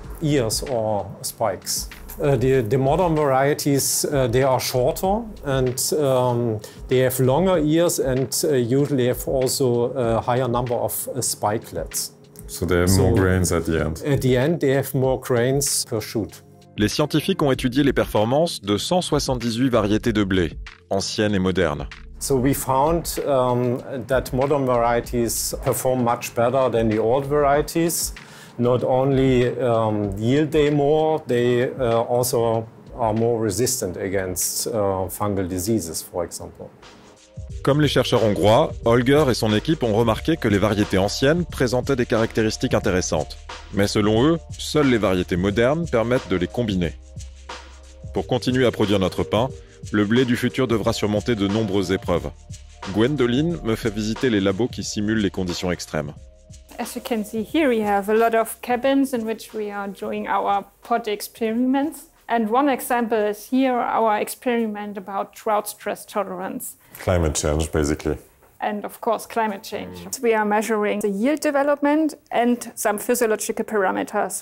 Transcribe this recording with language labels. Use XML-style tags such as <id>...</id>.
<en>Ears or spikes. The modern varieties, they are shorter and they have longer ears and usually have also a higher number of spikelets. So they have more grains at the end. At the end, they have more grains per shoot.</en> <fr>Les scientifiques ont étudié les performances de 178 variétés de blé, anciennes et modernes.</fr> <en>So we found that modern varieties perform much better than the old varieties. Not only yield they more, they also are more resistant against fungal diseases, for example.</en> <fr>Comme les chercheurs hongrois, Holger et son équipe ont remarqué que les variétés anciennes présentaient des caractéristiques intéressantes. Mais selon eux, seules les variétés modernes permettent de les combiner. Pour continuer à produire notre pain, le blé du futur devra surmonter de nombreuses épreuves. Gwendoline me fait visiter les labos qui simulent les conditions extrêmes.</fr> <en>As you can see here, we have a lot of cabins in which we are doing our pot experiments. And one example is here our experiment about drought stress tolerance. Climate change, basically. And of course, climate change. So we are measuring the yield development and some physiological parameters.</en>